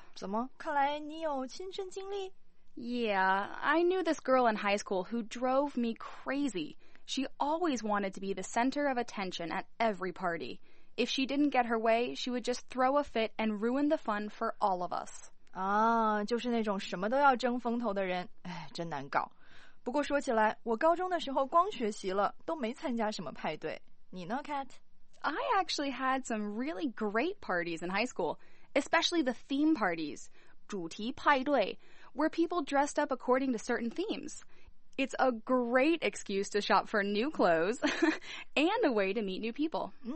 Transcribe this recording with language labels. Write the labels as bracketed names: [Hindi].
[Chinese] 怎么？看来你有亲身经历。 [English] Yeah, I knew this girl in high school who drove me crazy. She always wanted to be the center of attention at every party. If she didn't get her way, she would just throw a fit and ruin the fun for all of us. [Chinese] 啊，就是那种什么都要争风头的人，哎，真难搞。不过说起来，我高中的时候光学习了，都没参加什么派对。你呢 ，Kat? [English] I actually had some really great parties in high school, especially the theme parties, 主题派对。 Where people dressed up according to certain themes. It's a great excuse to shop for new clothes and a way to meet new people.